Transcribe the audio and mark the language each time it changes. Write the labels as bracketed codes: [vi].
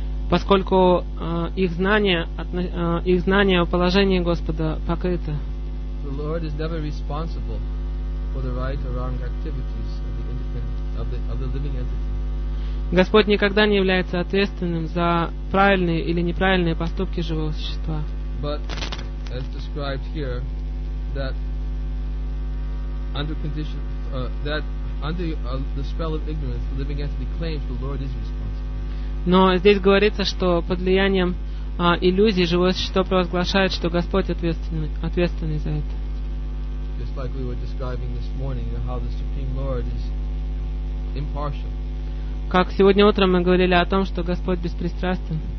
[ru] Поскольку их знание о положении Господа покрыто. [en] The Lord is never responsible for the right or wrong activities of the independent, of the living entity. [ru] Господь никогда не является ответственным за правильные или неправильные поступки живого существа. [en] But, as described here, that under condition that under the spell of ignorance, the living entity claims the Lord is responsible. [ru] Но здесь говорится, что под влиянием иллюзий живое существо провозглашает, что Господь ответственный за это. [en] Just like we were describing this morning, how the Supreme Lord is impartial. [ru] Как сегодня утром мы говорили о том, что Господь беспристрастен.